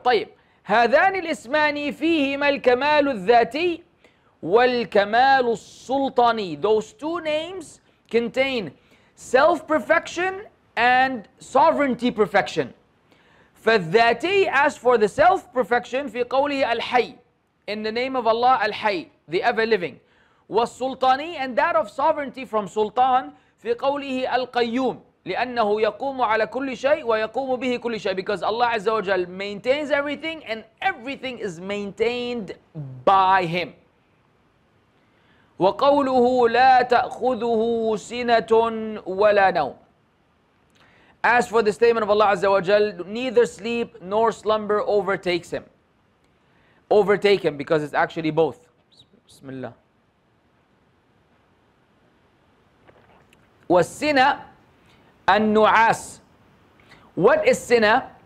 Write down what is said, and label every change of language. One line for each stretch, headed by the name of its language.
Arabic: طيب هذان الاسمان فيهما الكمال الذاتي والكمال السلطاني.
English: Those two names contain self-perfection and sovereignty perfection.
Arabic: فالذاتي,
English: as for the self-perfection,
Arabic: في قوله الحي,
English: in the name of Allah, الحي, the ever-living.
Arabic: والسلطاني,
English: and that of sovereignty from Sultan,
Arabic: في قوله القيوم, لأنه يقوم على كل شيء ويقوم به كل شيء.
English: Because Allah عز وجل maintains everything, and everything is maintained by Him.
Arabic: وقوله لا تأخذه سنة ولا نوم.
English: As for the statement of Allah Azza wa Jal, neither sleep nor slumber overtakes him. Overtake him, because it's actually both.
Arabic: Bismillah. والسنة النعاس.
English: What is
Arabic: سنة?